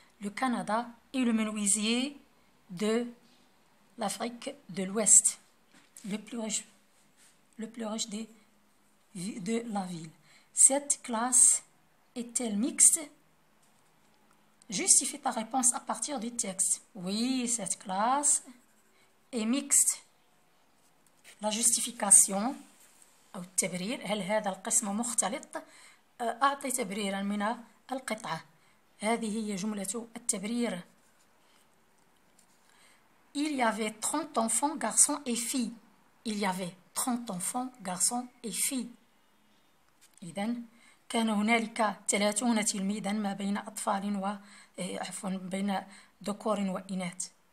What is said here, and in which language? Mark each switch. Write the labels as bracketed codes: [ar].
[fr] le Canada et le menuisier de l'Afrique de l'Ouest, le plus riche de la ville. Cette classe est-elle mixte? Justifie ta réponse à partir du texte. Oui, cette classe est mixte. La justification [ar] أو التبرير هل هذا القسم مختلط؟ أعطي تبريرا من القطعة. هذه هي جملة التبرير. [fr] Il y avait 30 enfants, garçons et filles. Il y avait 30 enfants, garçons et filles. [ar] إذن كان هنالك 30 تلميذا ما بين أطفال و عفوا بين ذكور وإناث.